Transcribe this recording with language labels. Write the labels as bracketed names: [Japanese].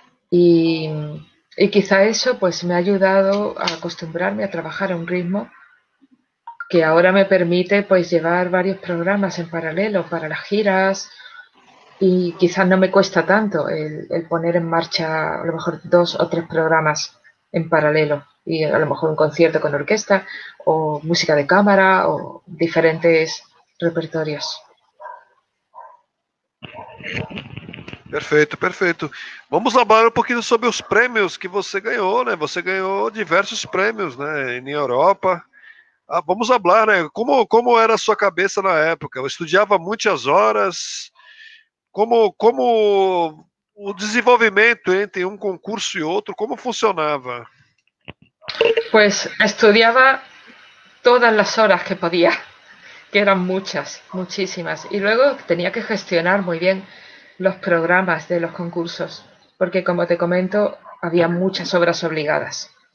[Spanish] Y quizá eso pues me ha ayudado a acostumbrarme a trabajar a un ritmo que ahora me permite pues llevar varios programas en paralelo para las giras y quizás no me cuesta tanto el poner en marcha a lo mejor 2 o 3 programas en paralelo y a lo mejor un concierto con orquesta o música de cámara o diferentes repertorios. [Portuguese] Perfeito, perfeito. Vamos falar um pouquinho sobre os prêmios que você ganhou, né? Você ganhou diversos prêmios, né? Na Europa. Ah, vamos falar, né? Como era a sua cabeça na época? Eu estudava muitas horas. Como o desenvolvimento entre um concurso e outro, como funcionava? [Spanish] Pues estudiaba todas las horas que podía, que eran muchas, muchísimas. Y luego tenía que gestionar muy bien los programas de los concursos, porque como te comento, había muchas obras obligadas.